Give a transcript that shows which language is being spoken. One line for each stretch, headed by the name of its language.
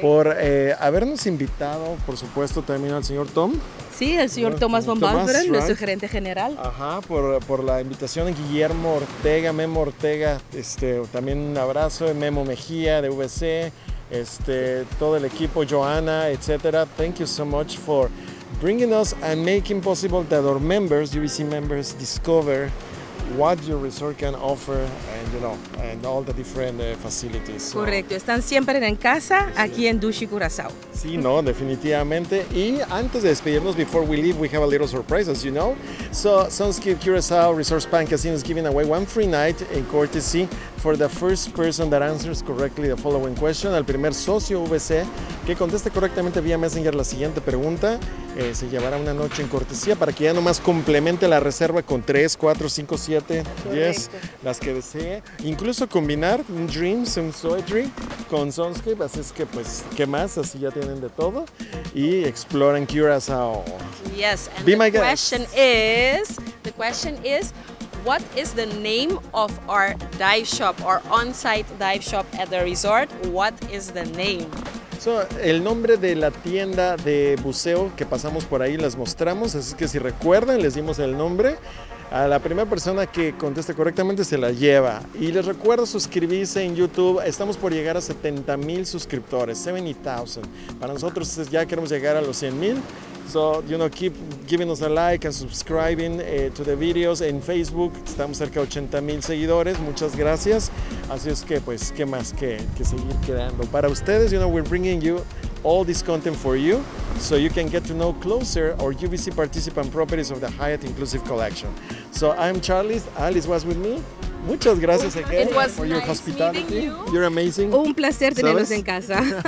Spanish: Por habernos invitado, por supuesto también al señor Tom. Sí, el señor Tomás von Balveren, nuestro gerente general. Ajá, por la invitación de Guillermo Ortega, Memo Ortega, también un abrazo de Memo Mejía de VC. Todo el equipo, Joanna, etc.
English: Thank you so much for bringing us and making possible that our members, UVC members, discover what your resort can offer and all the different facilities.
Spanish: So, correcto, están siempre en casa, sí. Aquí en Dushi Curacao. Sí, no, definitivamente. Y antes de despedirnos,
English: before we leave, we have a little surprise, as you know. So, Sunscape Curacao Resort Spa and Casino is giving away one free night in courtesy for the first person that answers correctly the following question.
Spanish: Al primer socio VC que conteste correctamente vía Messenger la siguiente pregunta, se llevará una noche en cortesía para que ya nomás complemente la reserva con 3, 4, 5, 7, 10, las que desee. Incluso combinar un Dreams, un Soetry con Sunscape, así es que pues, ¿qué más? Así ya tienen de todo. Y exploren Curacao.
English: Yes, and be the my question guest. The question is, what is the name of our dive shop, our on-site dive shop at the resort? What is the name?
Spanish: So, el nombre de la tienda de buceo que pasamos por ahí, las mostramos, así que si recuerdan, les dimos el nombre. A la primera persona que conteste correctamente se la lleva. Y les recuerdo suscribirse en YouTube. Estamos por llegar a 70,000 suscriptores, 70,000. Para nosotros ya queremos llegar a los 100,000.
English: So, you know, keep giving us a like and subscribing to the videos en Facebook.
Spanish: Estamos cerca de 80,000 seguidores. Muchas gracias. Así es que, pues, ¿qué más que seguir creando? Para ustedes,
English: you know, we're bringing you all this content for you so you can get to know closer our UVC participant properties of the Hyatt Inclusive Collection. So I'm Charlie. Alice was with me.
Spanish: Muchas gracias
English: again for your hospitality. It was nice meeting you. You're amazing.
Spanish: Un placer tenerlos en casa.